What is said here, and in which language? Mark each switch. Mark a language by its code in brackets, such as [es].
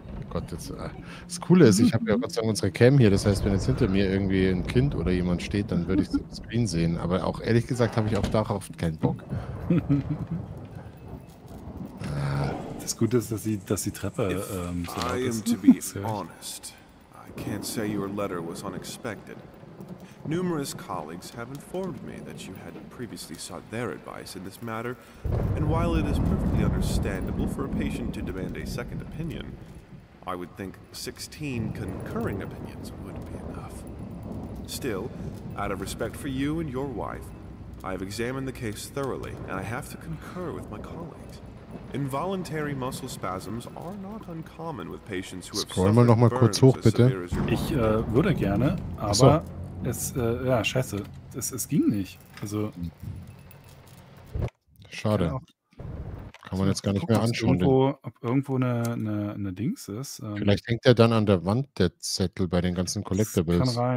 [de] Gott, jetzt, das Coole ist, ich habe ja Gott sei Dank unsere Cam hier. Das heißt, wenn jetzt hinter mir irgendwie ein Kind oder jemand steht, dann würde ich es im Screen sehen. Aber auch ehrlich gesagt habe ich auch darauf keinen Bock. Das Gute ist, dass die Treppe so laut ist. [en] I am to be honest. I can't say your letter was unexpected. Numerous colleagues have informed me that you had previously sought their advice in this matter, and while it is perfectly understandable for a patient to demand a second opinion, I would think 16 concurring opinions would be enough. Still, out of respect for you and your wife, I have examined the case thoroughly, and I have to concur with my colleagues. Involuntary muscle spasms are not uncommon with patients who have suffered burns. [de] Scroll mal noch mal kurz hoch, bitte. Ich würde gerne, aber es ja, scheiße, es ging nicht. Also schade. Kann man jetzt gar nicht mehr anschauen. Ob irgendwo eine Dings ist. Vielleicht hängt er dann an der Wand, der Zettel bei den ganzen Collectibles.